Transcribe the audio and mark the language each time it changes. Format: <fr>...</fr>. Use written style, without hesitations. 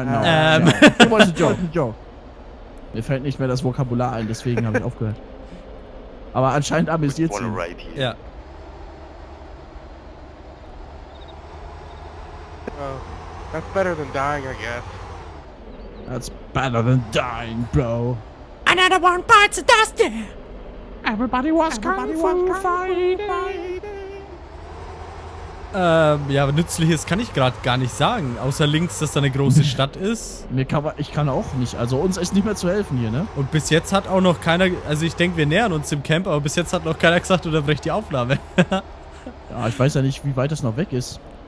<en>No, we're going to dig a hole for you because we want to shoot you.</en> <de>Mir fällt nicht mehr das Vokabular ein, deswegen habe ich aufgehört. Aber anscheinend amüsiert sie. Ja. Yeah.</de> <en>That's better than dying, I guess. That's better than dying, bro. Another one bites the dust. Everybody was kung fu fighting.</en> <de>Ja, nützliches kann ich gerade gar nicht sagen. Außer links, dass da eine große Stadt ist. Ich kann auch nicht. Also uns ist nicht mehr zu helfen hier, ne? Und bis jetzt hat auch noch keiner... Also ich denke, wir nähern uns dem Camp, aber bis jetzt hat noch keiner gesagt, unterbrech die Aufnahme. Ja, ich weiß ja nicht, wie weit das noch weg ist.</de>